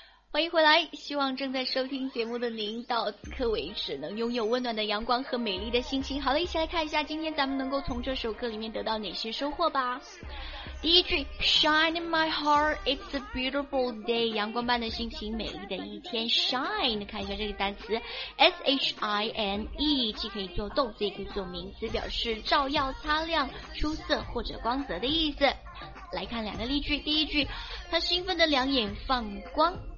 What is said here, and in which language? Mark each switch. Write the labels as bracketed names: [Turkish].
[Chinese] 欢迎回来，希望正在收听节目的您到此刻为止能拥有温暖的阳光和美丽的心情。好了，一起来看一下今天咱们能够从这首歌里面得到哪些收获吧。第一句 [English] Shine in my heart, it's a beautiful day. [Chinese] 阳光般的心情，美丽的一天。 Shine, 看一下这个单词 S-H-I-N-E, 既可以做动词，也可以做名词，表示照耀、擦亮、出色或者光泽的意思。来看两个例句。第一句，她兴奋的两眼放光。